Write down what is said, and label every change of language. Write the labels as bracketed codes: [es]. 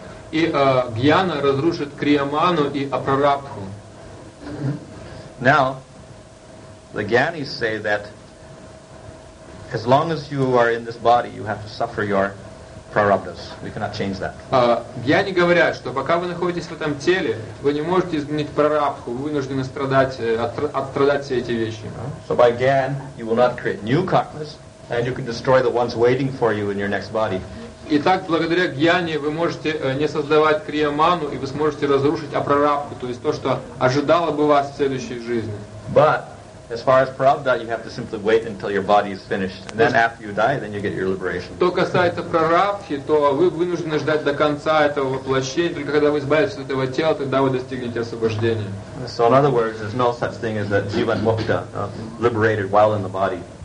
[ru] И jnana разрушит криаману и апрарабдху. [en] Now, the Gyanis say that as long as you are in this body, you have to suffer your prarabdhas. We cannot change that. [ru] Gyani говорят, что пока вы находитесь в этом теле, вы не можете изменить прарабдху, вы вынуждены страдать все эти вещи. [en] So by Gyan, you will not create new karmas, and you can destroy the ones waiting for you in your next body. [ru] Итак, благодаря Гьяне вы можете не создавать Криаману, и вы сможете разрушить Апрарабху, то есть то, что ожидало бы вас в следующей жизни. [en] But as far as Прарабдха, you have to simply wait until your body is finished. And then after you die, then you get your liberation. [ru] Что касается Прарабдхи, то вы вынуждены ждать до конца этого воплощения, только когда вы избавитесь от этого тела, тогда вы достигнете освобождения. [en] So in other words, there's no such thing as that Jivan Mukta, liberated while in the body.